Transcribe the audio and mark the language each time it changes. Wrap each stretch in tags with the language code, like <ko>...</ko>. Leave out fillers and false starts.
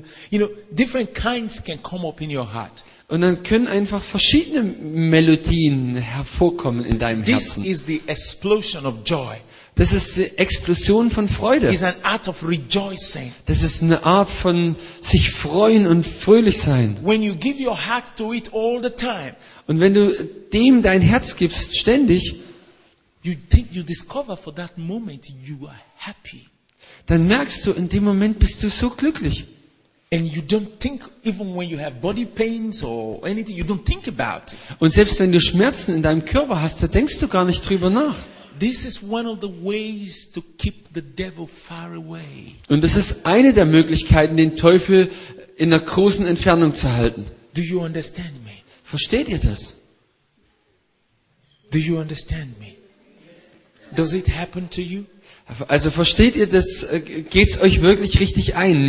<en>You know, different kinds can come up in your heart.</en> <de>Und dann können einfach verschiedene Melodien hervorkommen in deinem Herzen.</de> <en>This is the explosion of joy.</en> <de>Das ist die Explosion von Freude.</de> <en>It's an art of rejoicing.</en> <de>Das ist eine Art von sich freuen und fröhlich sein.</de> <en>When you give your heart to it all the time.</en> <de>Und wenn du dem dein Herz gibst ständig,</de> <en>you think you discover for that moment you are happy.</en> <de>Dann merkst du, in dem Moment bist du so glücklich.</de> <en>And you don't think even when you have body pains or anything you don't think about.</en> <de>Und selbst wenn du Schmerzen in deinem Körper hast, da denkst du gar nicht drüber nach.</de> <en>This is one of the ways to keep the devil far away.</en> <de>Und das ist eine der Möglichkeiten, den Teufel in der großen Entfernung zu halten.</de> <en>Do you understand me?</en> <de>Versteht ihr das?</de> <en>Do you understand me? Does it happen to you?</en> <de>Also versteht ihr das? Geht's euch wirklich richtig ein?</de>